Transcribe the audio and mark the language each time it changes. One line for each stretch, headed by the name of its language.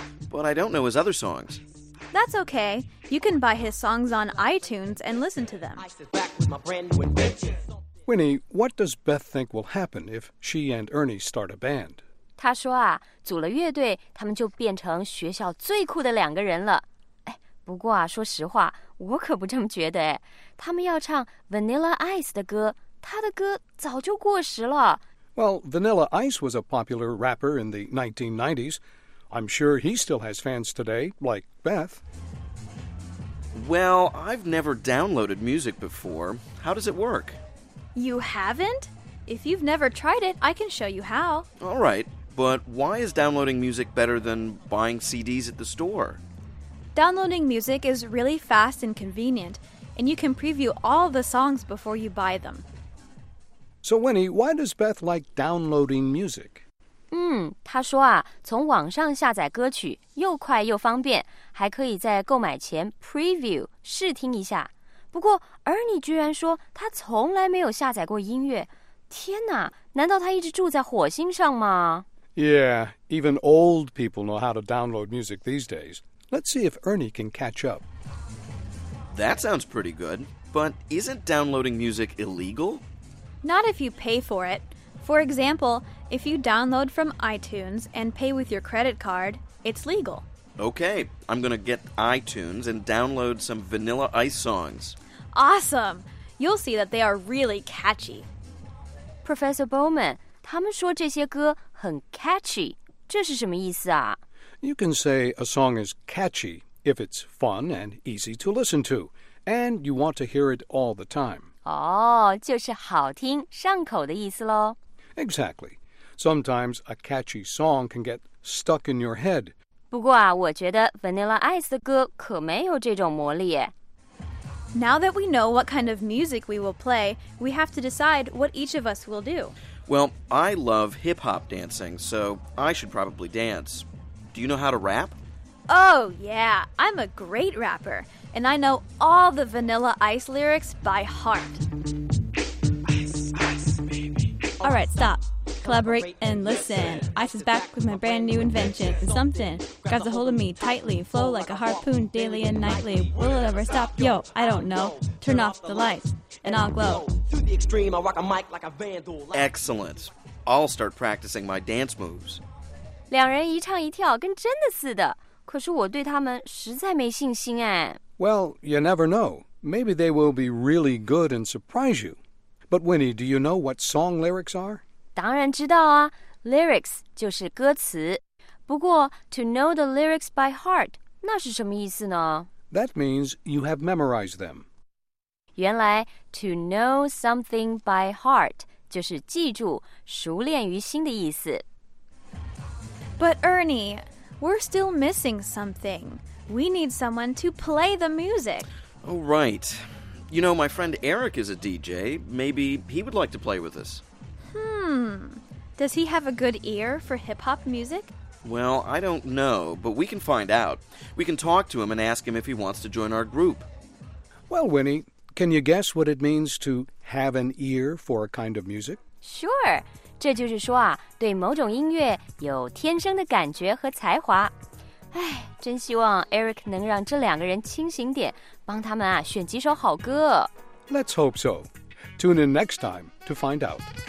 English: But I don't know his other songs. That's okay. You can buy his songs on iTunes and listen to them. Winnie, what does Beth think will happen if she and Ernie start a band?
Chinese: 她说啊，组了乐队，他们就变成学校最酷的两个人了。哎，不过啊，说实话，我可不这么觉得哎。他们要唱 Vanilla Ice 的歌，他的歌早就过时了。
English: Well, Vanilla Ice was a popular rapper in the 1990s. I'm sure he still has fans today, like Beth. Well, I've never downloaded music before. How does it work? You haven't? If you've never tried it, I can show you how. All right, but why is downloading music better than buying CDs at the store? Downloading music is really fast and convenient, and you can preview all the songs before you buy them. So Winnie, why does Beth like downloading music?
Chinese: 他说啊，从网上下载歌曲又快又方便，还可以在购买前 preview 试听一下。不过 Ernie 居然说他从来没有下载过音乐，天哪，难道他一直住在火星上吗？
English: Yeah, even old people know how to download music these days. Let's see if Ernie can catch up. That sounds pretty good, but isn't downloading music illegal? Not if you pay for it. For example,If you download from iTunes and pay with your credit card, it's legal. Okay, I'm gonna get iTunes and download some Vanilla Ice songs. Awesome! You'll see that they are really catchy.
Chinese: Professor Bowman, 他们说这些歌很 catchy, 这是什么意思啊?
English: You can say a song is catchy if it's fun and easy to listen to, and you want to hear it all the time.
Chinese: 哦，就是好听，上口的意思咯。
English: Exactly. Sometimes a catchy song can get stuck in your head.
Chinese: 不过啊，我觉得 Vanilla Ice 的歌可没有这种魔力耶。
English: Now that we know what kind of music we will play, we have to decide what each of us will do. Well, I love hip-hop dancing, so I should probably dance. Do you know how to rap? Oh, yeah. I'm a great rapper, and I know all the Vanilla Ice lyrics by heart. All right, stop. Collaborate and listen. Ice is back with my brand new invention. And something grabs a hold of me tightly. Flow like a harpoon daily and nightly. Will it ever stop? Yo, I don't know. Turn off the lights and I'll glow. Excellent. I'll start practicing my dance moves.
Chinese: 两人一唱一跳跟真的似的。可是我对他们实在没信心哎。
English: Well, you never know. Maybe they will be really good and surprise you. But Winnie, do you know what song lyrics are?
Chinese: 当然知道啊 ,lyrics 就是歌词。不过 ,
English: to know the lyrics by heart,
Chinese: 那是什么意思呢
English: ?That means you have memorized them.
Chinese: 原来 ,
English: to know something by heart,
Chinese: 就是记住熟练于心的意思。
English: But Ernie, we're still missing something. We need someone to play the music. Oh, right. You know, my friend Eric is a DJ. Maybe he would like to play with us. Does he have a good ear for hip-hop music? Well, I don't know, but we can find out. We can talk to him and ask him if he wants to join our group. Well, Winnie, can you guess what it means to have an ear for a kind of music? Sure.
Chinese: 这就是说啊，对某种音乐有天生的感觉和才华。唉，真希望 Eric 能让这两个人清醒点，帮他们啊，选几首好歌。
English: Let's hope so. Tune in next time to find out.